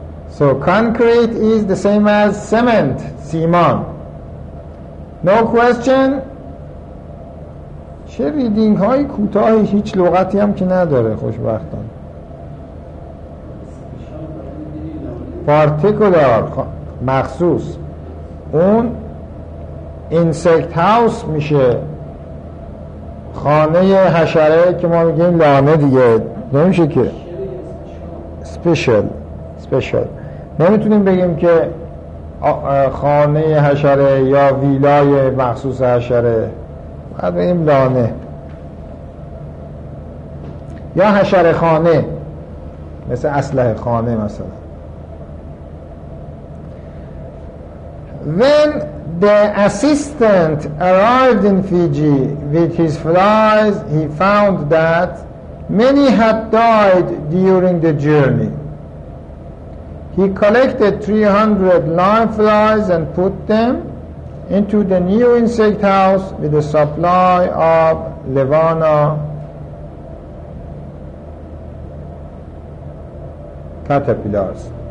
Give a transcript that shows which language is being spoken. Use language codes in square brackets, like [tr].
[en] So concrete is the same as cement, سیمان. No question. [fa] چه ریدینگ های کوتاهی، هیچ لغتی هم که نداره خوشبختان. پارتیکولار مخصوص، اون انسکت هاوس میشه، خانه حشره که ما میگیم لانه دیگه، نمیشه که سپیشل. سپیشل نمیتونیم بگیم که خانه حشره یا ویلای مخصوص حشره، باید بگیم لانه یا حشره خانه، مثل اسلحه خانه مثلا. [en] When the assistant arrived in Fiji with his flies, he found that many had died during the journey. He collected 300 live flies and put them into the new insect house with a supply of Levana caterpillars.